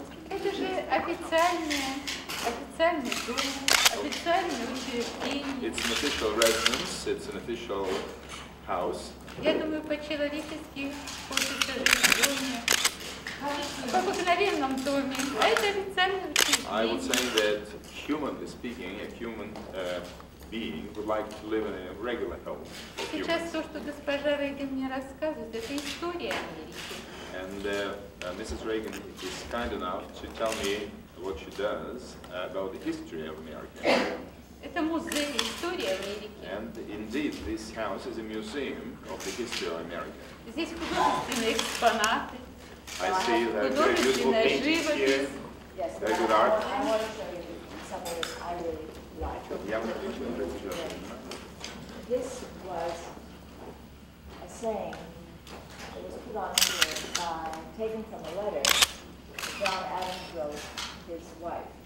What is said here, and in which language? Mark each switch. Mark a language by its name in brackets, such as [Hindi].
[Russian] Это же официальный дом, официальное учреждение. [English] It's an official residence, it's an official house. [Russian] Я думаю, по-человечески хочется жить в доме, в обыкновенном доме, а это официальное учреждение. [English] I would say that, humanly speaking, a human being would like to live in a regular home. [Russian] Сейчас то, что госпожа Рейган мне рассказывает, это история Америки. [English] And Mrs. Reagan is kind enough to tell me what she does about the history of America. [Russian] Это музей истории Америки. [English] And indeed, this house is a museum of the history of America. [Russian] Здесь художественные экспонаты. [English] I see that there are beautiful paintings here. Yes, very good art. This was a saying that was put on here by, taken from a letter that John Adams wrote his wife.